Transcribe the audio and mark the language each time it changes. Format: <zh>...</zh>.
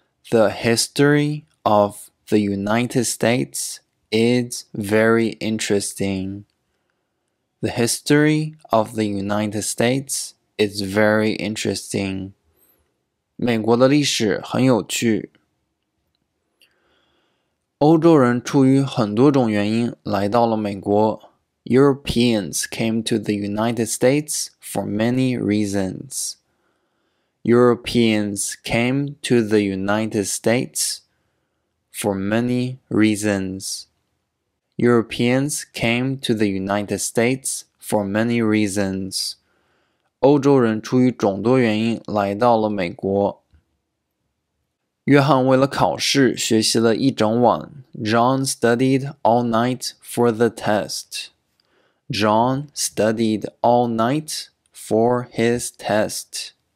<en>The history of the United States is very interesting. The history of the United States is very interesting.</en> <zh>美国的历史很有趣。欧洲人出于很多种原因来到了美国。</zh> <en>Europeans came to the United States for many reasons. Europeans came to the United States for many reasons. Europeans came to the United States for many reasons.</en> <zh>欧洲人出于众多原因来到了美国。约翰为了考试学习了一整晚。</zh> <en>John studied all night for the test. John studied all night for his test.</en>